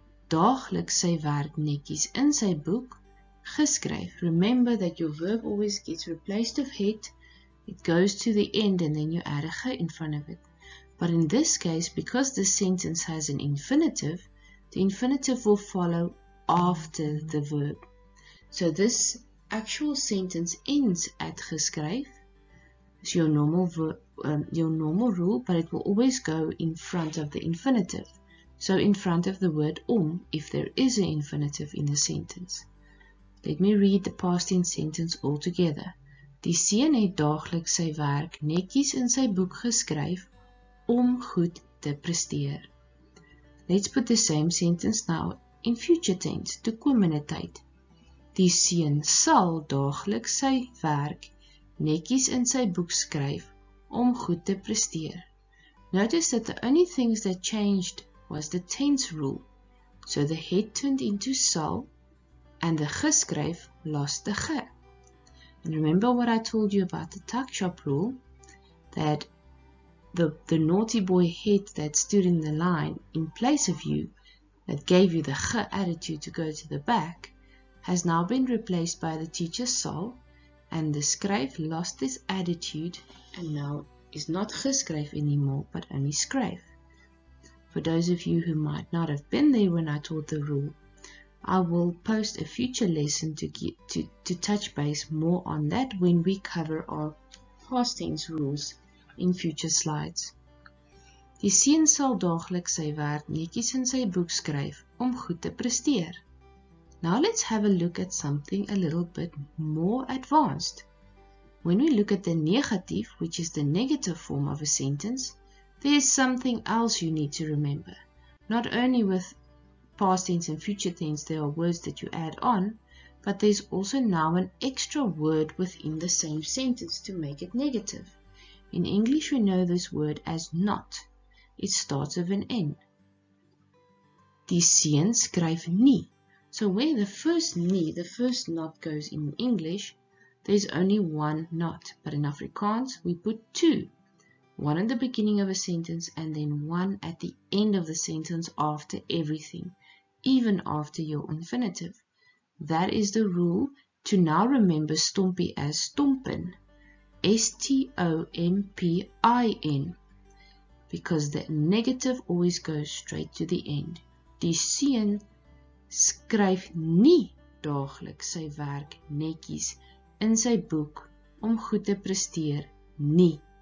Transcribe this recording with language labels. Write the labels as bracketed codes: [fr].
[af] Daagliks sy werk netjies in sy boek geskryf. [en] Remember that your verb always gets replaced of het. It goes to the end and then you add a ge in front of it. But in this case, because the sentence has an infinitive, the infinitive will follow after the verb. So this actual sentence ends at geskryf. It's your normal rule, but it will always go in front of the infinitive. So in front of the word om, if there is an infinitive in the sentence. Let me read the past tense sentence altogether. [af] Die seun het daagliks sy werk netjies in sy boek geskryf om goed te presteer. [en] Let's put the same sentence now in future tense, toekomende tyd. [af] Die seun sal daagliks sy werk netjies in sy boek skryf om goed te presteer. [en] Notice that the only things that changed was the tense rule. So the het turned into sal and the geskryf lost the ge. And remember what I told you about the tuck shop rule, that the naughty boy het that stood in the line in place of you, that gave you the ge attitude to go to the back, has now been replaced by the teacher sal, and the skryf lost this attitude and now is not geskryf anymore, but only skryf. For those of you who might not have been there when I taught the rule, I will post a future lesson to touch base more on that when we cover our past tense rules in future slides. [af] Die seun sal daagliks sy werk netjies in sy boek skryf om goed te presteer. [en] Now let's have a look at something a little bit more advanced. When we look at the negative, which is the negative form of a sentence, there is something else you need to remember. Not only with past tense and future tense, there are words that you add on, but there's also now an extra word within the same sentence to make it negative. In English, we know this word as not. It starts with an N. [af] Die seun skryf nie. [en] So where the first nie, the first not goes in English, there's only one not. But in Afrikaans, we put two. One at the beginning of a sentence and then one at the end of the sentence after everything, even after your infinitive. That is the rule to now remember Stompi as Stompin, S-T-O-M-P-I-N, because the negative always goes straight to the end. [af] Die seun skryf nie daagliks sy werk netjies in sy boek om goed te presteer nie.